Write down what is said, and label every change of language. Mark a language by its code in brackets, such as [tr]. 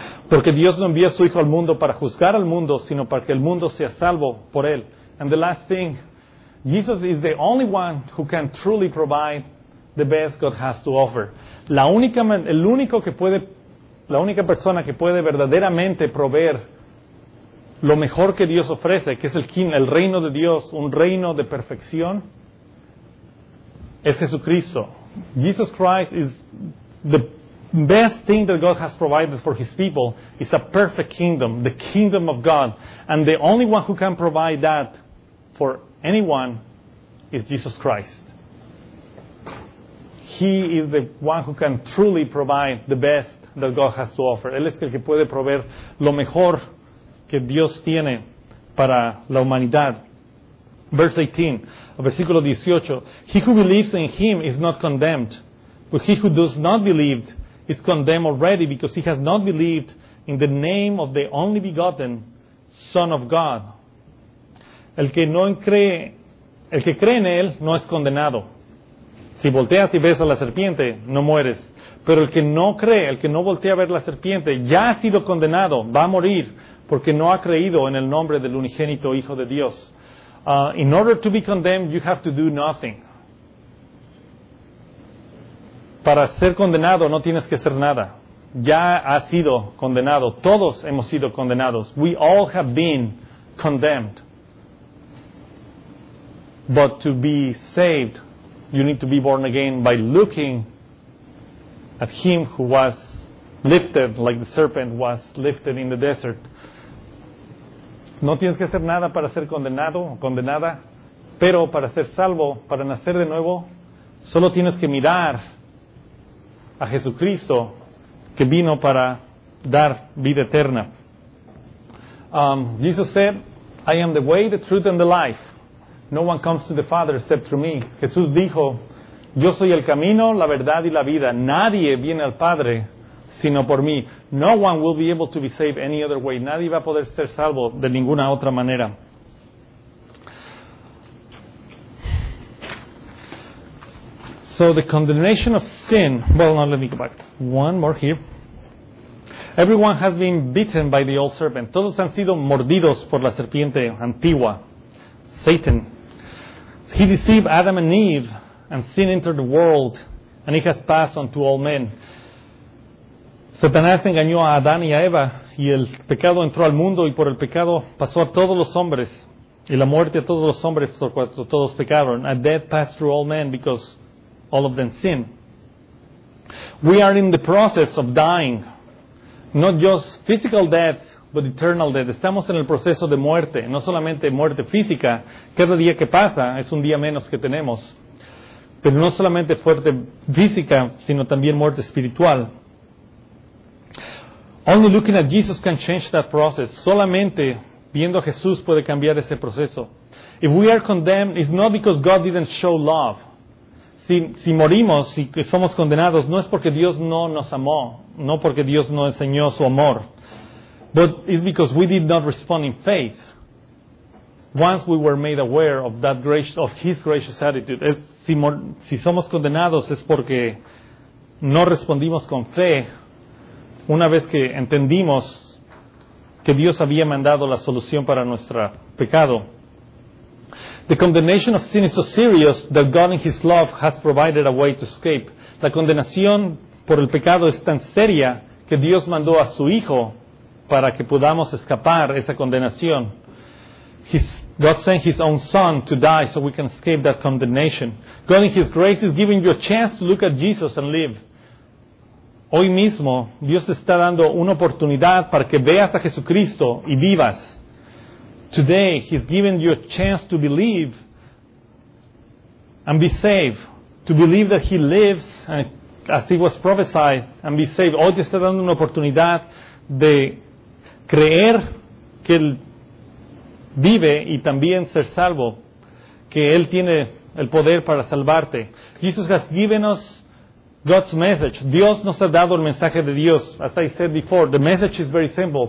[es] Porque Dios no envió a su Hijo al mundo para juzgar al mundo, sino para que el mundo sea salvo por él. [en] And the last thing, Jesus is the only one who can truly provide the best God has to offer. [es] La única persona que puede verdaderamente proveer lo mejor que Dios ofrece, que es el reino de Dios, un reino de perfección, es Jesucristo. [en] Jesus Christ is the best thing that God has provided for his people. It's a perfect kingdom, the kingdom of God. And the only one who can provide that for anyone is Jesus Christ. He is the one who can truly provide the best that God has to offer. [es] Él es el que puede proveer lo mejor que Dios tiene para la humanidad. [en] Verse 18, [es] versículo 18. [en] He who believes in him is not condemned, but he who does not believe is condemned already, because he has not believed in the name of the only begotten Son of God. [es] El que cree en él no es condenado. Si volteas y ves a la serpiente, no mueres. Pero el que no cree, el que no voltea a ver la serpiente, ya ha sido condenado, va a morir, porque no ha creído en el nombre del unigénito Hijo de Dios. [en] In order to be condemned, you have to do nothing. [es] Para ser condenado, no tienes que hacer nada. Ya has sido condenado. Todos hemos sido condenados. [en] We all have been condemned. But to be saved, you need to be born again by looking at him who was lifted, like the serpent was lifted in the desert. [es] No tienes que hacer nada para ser condenado o condenada, pero para ser salvo, para nacer de nuevo, solo tienes que mirar a Jesucristo que vino para dar vida eterna. [en] Jesus said, I am the way, the truth, and the life. No one comes to the Father except through me. [es] Jesús dijo, yo soy el camino, la verdad y la vida. Nadie viene al Padre sino por mí. [en] No one will be able to be saved any other way. [es] Nadie va a poder ser salvo de ninguna otra manera. [en] So the condemnation of sin. Well, now let me go back. One more here. Everyone has been bitten by the old serpent. [es] Todos han sido mordidos por la serpiente antigua, Satan. [en] He deceived Adam and Eve, and sin entered the world, and it has passed on to all men. [es] Satanás engañó a Adán y a Eva, y el pecado entró al mundo, y por el pecado pasó a todos los hombres, y la muerte a todos los hombres, por cuanto todos pecaron. [en] And death passed through all men, because all of them sinned. We are in the process of dying. Not just physical death, but eternal death. [es] Estamos en el proceso de muerte, no solamente muerte física. Cada día que pasa es un día menos que tenemos. Pero no solamente muerte física, sino también muerte espiritual. [en] Only looking at Jesus can change that process. [es] Solamente viendo a Jesús puede cambiar ese proceso. [en] If we are condemned, it's not because God didn't show love. [es] Si morimos, si somos condenados, no es porque Dios no nos amó, no porque Dios no enseñó su amor, [en] but it's because we did not respond in faith. Once we were made aware of that grace, of His gracious attitude, [es] si somos condenados es porque no respondimos con fe. Una vez que entendimos que Dios había mandado la solución para nuestro pecado. [en] The condemnation of sin is so serious that God in His love has provided a way to escape. [es] La condenación por el pecado es tan seria que Dios mandó a su Hijo para que podamos escapar esa condenación. [en] God sent His own Son to die so we can escape that condemnation. God in His grace is giving you a chance to look at Jesus and live. [es] Hoy mismo, Dios te está dando una oportunidad para que veas a Jesucristo y vivas. [en] Today, He's given you a chance to believe and be saved. To believe that He lives, and as He was prophesied, and be saved. [es] Hoy te está dando una oportunidad de creer que Él vive y también ser salvo. Que Él tiene el poder para salvarte. [en] Jesus has given us God's message. [es] Dios nos ha dado el mensaje de Dios. [en] As I said before, the message is very simple.